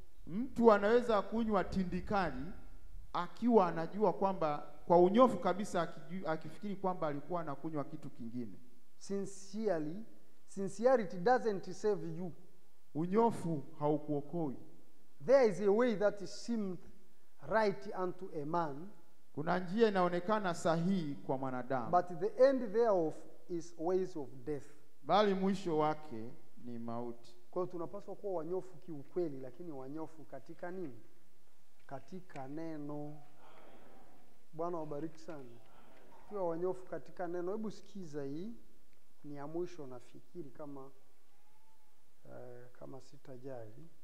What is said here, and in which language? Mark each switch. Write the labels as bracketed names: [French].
[Swahili] Mtu anaweza kunywa tindikali akiwa anajua kwamba kwa unyofu kabisa akifikiri kwamba alikuwa anakunywa kitu kingine. [English] Sincerely, sincerity doesn't save you. [Swahili] Unyofu haukuokoi. [English] There is a way that seemed right unto a man. [Swahili] Kuna njia inaonekana sahihi kwa mwanadamu. [English] But the end thereof is ways of death. [Swahili] Bali mwisho wake ni mauti. Kwa tunapaswa kuwa wanyofu kiukweli, lakini wanyofu katika nini? Katika neno. Bwana wabariki sana. Kwa wanyofu katika neno. Hebu sikiza hii. Ni ya mwisho na fikiri kama kama sitajali.